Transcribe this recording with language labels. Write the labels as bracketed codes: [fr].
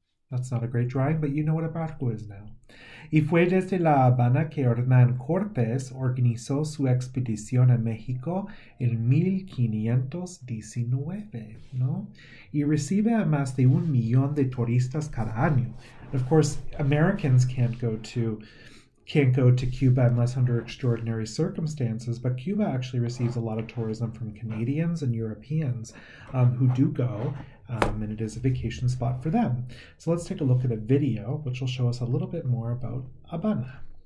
[en] That's not a great drawing, but you know what a barco is now. [es] Y fue desde La Habana que Hernán Cortés organizó su expedición a México en 1519, ¿no? Y recibe a más de 1 millón de turistas cada año. [en] Of course, Americans can't go to Cuba unless under extraordinary circumstances, but Cuba actually receives a lot of tourism from Canadians and Europeans who do go. And it is a vacation spot for them. So let's take a look at a video which will show us a little bit more about Habana.